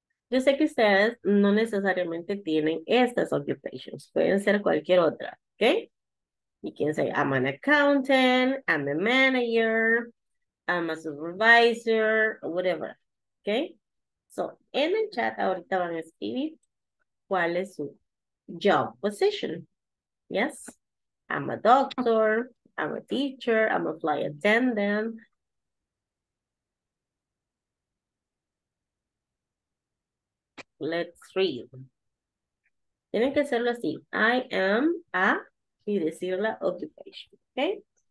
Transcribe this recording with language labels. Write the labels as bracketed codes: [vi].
[es] Yo sé que ustedes no necesariamente tienen estas occupations. Pueden ser cualquier otra, ¿ok? [en] You can say, I'm an accountant, I'm a manager, I'm a supervisor, whatever, ¿ok? [es] So, en el chat ahorita van a escribir cuál es su job position. [en] Yes, I'm a doctor, I'm a teacher, I'm a flight attendant. Let's read. [es] Tienen que hacerlo así. [en] I am a, [es] y decir la occupation. [en] Okay?